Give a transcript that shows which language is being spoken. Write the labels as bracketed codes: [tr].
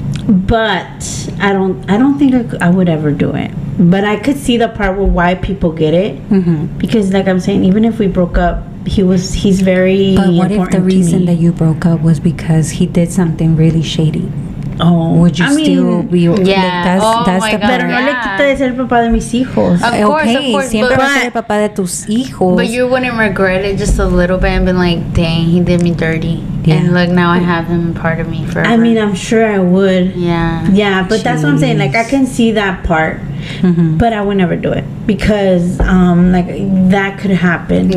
[en] But I don't think I would ever do it. But I could see the part with why people get it. Mm-hmm. Because like I'm saying, even if we broke up, he's very important. But what if the reason that you broke up was because he did something really shady? Oh, would you be? Yeah. Like, that's oh my god. [es] Pero no le quita de ser papá de mis hijos. [en] Of course. [es] Siempre va a ser papá de tus hijos. [en] But you wouldn't regret it just a little bit and been like, dang, he did me dirty. Yeah. And look, now I have him part of me forever. I mean, I'm sure I would. Yeah. Yeah, but that's what I'm saying. Like, I can see that part. Mm-hmm. But I would never do it. Because, like, that could happen.